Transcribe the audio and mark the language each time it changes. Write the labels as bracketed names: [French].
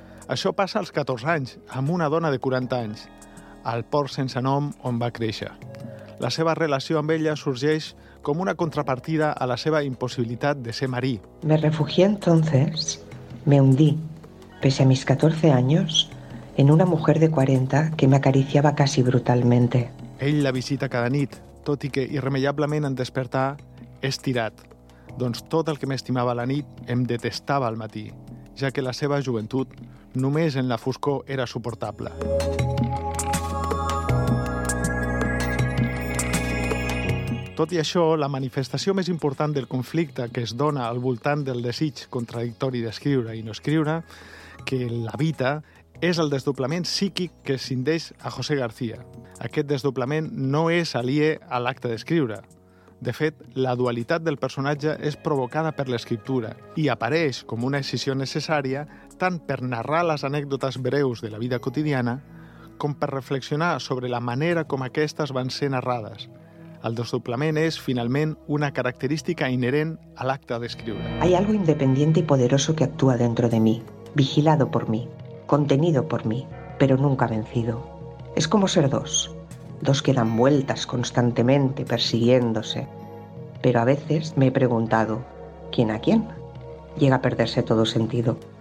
[Catalan] Això passa als 14 anys, amb una dona de 40 anys, al port sense nom on va créixer. La seva relació amb ella sorgeix com una contrapartida a la seva impossibilitat de ser marí. [Spanish] Me refugié entonces, me hundí, pese a mis 14 años, en una mujer de 40 que me acariciaba casi brutalmente. [Catalan] Ell la visita cada nit, tot i que irremeiablement en despertar és tirat. Doncs tot el que m'estimava la nit em detestava al matí, ja que la seva joventut només en la foscor era suportable. Música. Tot i això, la manifestació més important del conflicte que es dona al voltant del desig contradictori d'escriure i no escriure, que l'habita, és el desdoblament psíquic que cindeix a José García. Aquest desdoblament no és aliè a l'acte d'escriure. De fet, la dualitat del personatge és provocada per l'escriptura i apareix com una escissió necessària tant per narrar les anècdotes breus de la vida quotidiana com per reflexionar sobre la manera com aquestes van ser narrades. El desdoblament és, finalment, una característica inherent a l'acte d'escriure. [Spanish] Hay algo independiente y poderoso que actúa dentro de mí, vigilado por mí, contenido por mí, pero nunca vencido. Es como ser dos. Dos que dan vueltas constantemente persiguiéndose. Pero a veces me he preguntado, ¿quién a quién? Llega a perderse todo sentido.